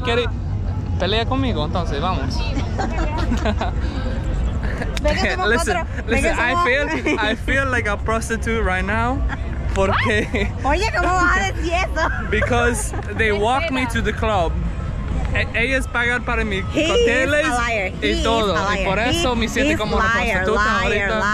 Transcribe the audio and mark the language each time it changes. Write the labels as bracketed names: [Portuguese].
[Spanish] Quiere pelea conmigo, entonces vamos. [English] Listen, I feel like a prostitute right now. [Spanish] Porque. Oye, ¿cómo vas a decir eso? [English] Because they walk me to the club. [Spanish] Ellas pagan para mi hoteles y todo. Y por eso me siento como una prostituta ahorita.